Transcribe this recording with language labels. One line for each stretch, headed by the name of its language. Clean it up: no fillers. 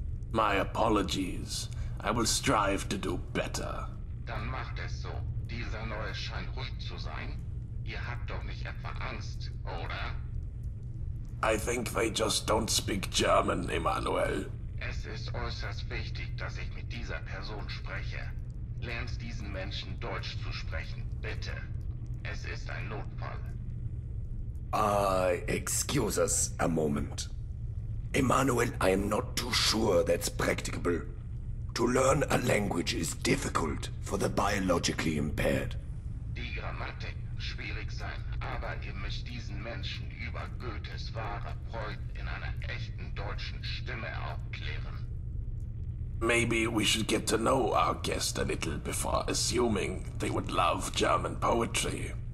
English: My apologies. I will strive to do better.
German: Dann macht es so. Dieser Neue scheint ruhig zu sein. Ihr habt doch nicht etwa Angst, oder?
English: I think they just don't speak German, Emmanuel.
German: Es ist äußerst wichtig, dass ich mit dieser Person spreche. Lernst diesen Menschen Deutsch zu sprechen, bitte. Es ist ein Notfall.
English: Excuse us a moment. Emmanuel, I am not too sure that's practicable. To learn a language is difficult for the biologically impaired.
German: Die Grammatik schwierig sein, aber ihr müsst diesen Menschen über Goethes wahre Freude in einer echten deutschen Stimme aufklären.
English: Maybe we should get to know our guest a little before assuming they would love German poetry.